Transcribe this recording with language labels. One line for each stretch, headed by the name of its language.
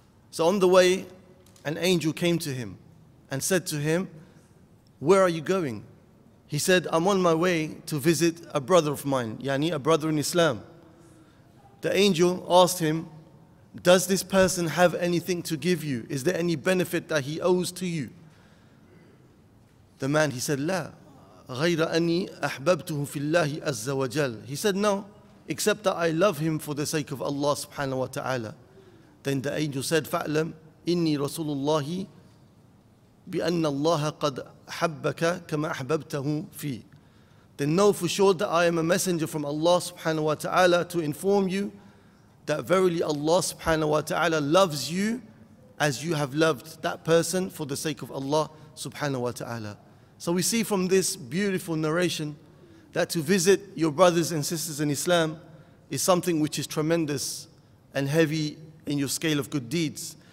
English: So on the way, an angel came to him and said to him, "Where are you going?" He said, "I'm on my way to visit a brother of mine," yani a brother in Islam. The angel asked him, "Does this person have anything to give you? Is there any benefit that he owes to you?" The man, he said,
Arabic: "La, غير أني أحببته في الله عز وجل."
English: He said, "No, except that I love him for the sake of Allah subhanahu wa ta'ala." Then the angel said,
Arabic: "فَعْلَمْ إِنِّي رَسُولُ اللَّهِ بِأَنَّ اللَّهَ قَدْ حَبَّكَ كَمَا أَحْبَبْتَهُ فِي."
English: Then know for sure that I am a messenger from Allah subhanahu wa ta'ala to inform you that verily Allah subhanahu wa ta'ala loves you as you have loved that person for the sake of Allah subhanahu wa ta'ala. So we see from this beautiful narration that to visit your brothers and sisters in Islam is something which is tremendous and heavy in your scale of good deeds.